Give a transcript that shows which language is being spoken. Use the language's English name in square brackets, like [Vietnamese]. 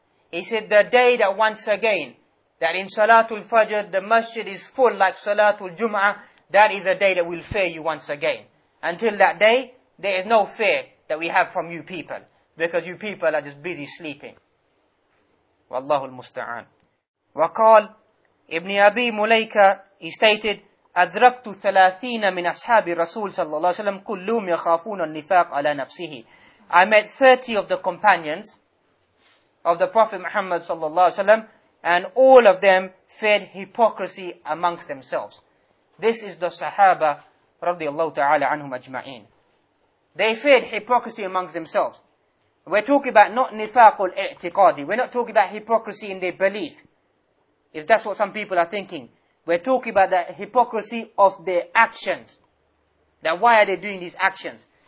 [English] He said, the day that once again, that in Salatul Fajr, the masjid is full like Salatul Jum'ah, that is a day that will fear you once again. Until that day, there is no fear that we have from you people, because you people are just busy sleeping. [Arabic] Wallahu al-musta'an. وقال ابن أبي مليكة, [English] he stated, [Arabic] أدركت ثلاثين من أصحاب الرسول صلى الله عليه وسلم كلهم يخافون النفاق على نفسه. [English] I met 30 of the companions of the Prophet Muhammad [Arabic] صلى الله عليه وسلم, [English] and all of them feared hypocrisy amongst themselves. This is the Sahaba [Arabic] رضي الله تعالى عنهم أجمعين. [English] They feared hypocrisy amongst themselves. We're talking about not [Arabic] نفاق الاعتقادي. [English] We're not talking about hypocrisy in their belief, if that's what some people are thinking. We're talking about the hypocrisy of their actions. That why are they doing these actions?